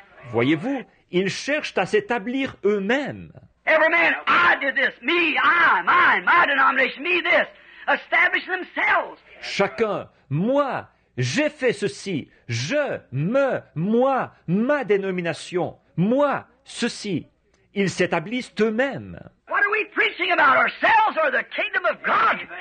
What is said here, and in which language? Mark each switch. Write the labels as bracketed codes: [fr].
[fr] Voyez-vous, ils cherchent à s'établir eux-mêmes. [en] Every man, I did this, me, I, mine, my denomination, me, this, establish themselves. [fr] Chacun, moi, j'ai fait ceci, je, me, moi, ma dénomination, moi, ceci. Ils s'établissent eux-mêmes. [en] What are we preaching about, ourselves or the kingdom of God?